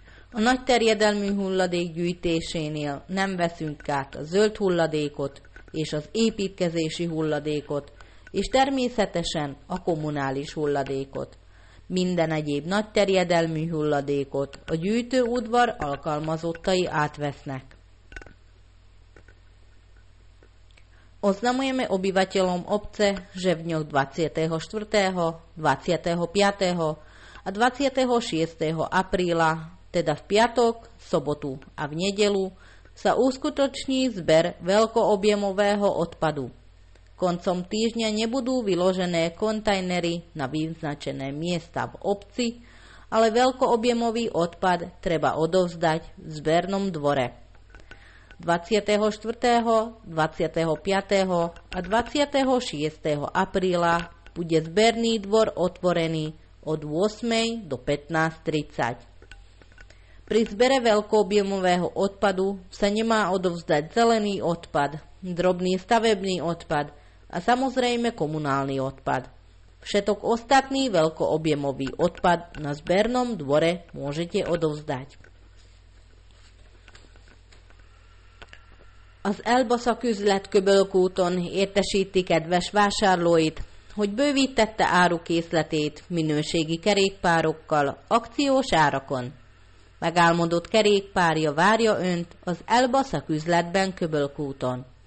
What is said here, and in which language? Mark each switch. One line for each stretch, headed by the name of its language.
Hungarian: A nagy terjedelmű hulladék gyűjtésénél nem veszünk át a zöld hulladékot és az építkezési hulladékot, és természetesen a kommunális hulladékot. Minden egyéb nagy terjedelmű hulladékot a gyűjtőudvar alkalmazottai átvesznek.
Slovak: Oznamujeme obyvateľom obce, že v dňoch 24., 25. a 26. apríla, teda v piatok, sobotu a v nedeľu, sa uskutoční zber veľkoobjemového odpadu. Koncom týždňa nebudú vyložené kontajnery na vyznačené miesta v obci, ale veľkoobjemový odpad treba odovzdať v zbernom dvore. 24., 25. a 26. apríla bude zberný dvor otvorený od 8. do 15.30. Pri zbere veľkoobjemového odpadu sa nemá odovzdať zelený odpad, drobný stavebný odpad a samozrejme komunálny odpad. Všetok ostatný veľkoobjemový odpad na zbernom dvore môžete odovzdať.
Hungarian: Az Elba szaküzlet Köbölkúton értesíti kedves vásárlóit, hogy bővítette árukészletét minőségi kerékpárokkal akciós árakon. Megálmodott kerékpárja várja önt az Elba szaküzletben Köbölkúton.